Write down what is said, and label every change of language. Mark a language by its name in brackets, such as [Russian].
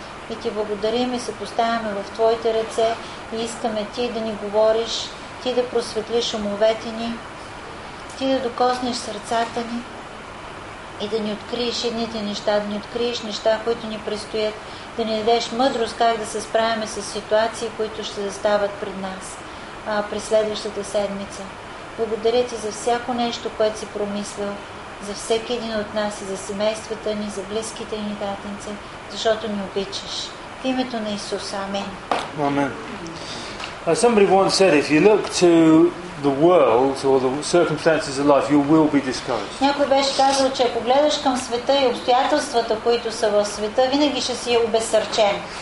[Bulgarian] И Ти благодарим и се поставяме в Твоите ръце и искаме Ти да ни говориш, Ти да просветлиш умовете ни, Ти да докоснеш сърцата ни и да ни откриеш едните неща, да ни откриеш неща, които ни предстоят, да ни дадеш мъдрост как да се справяме с ситуации, които ще застават пред нас през следващата седмица. Благодаря Ти за всяко нещо, което си промислил, за всеки един от нас и за семействата ни, за близките ни, Татенце, защото ни обичаш. В името на Исус. Амен. Амен. [English] Somebody once said, if you look to the world or the circumstances of life, you will be discouraged. [Bulgarian] Някой беше казал, че ако гледаш към света и обстоятелствата, които са в света, винаги ще си обезсърчен.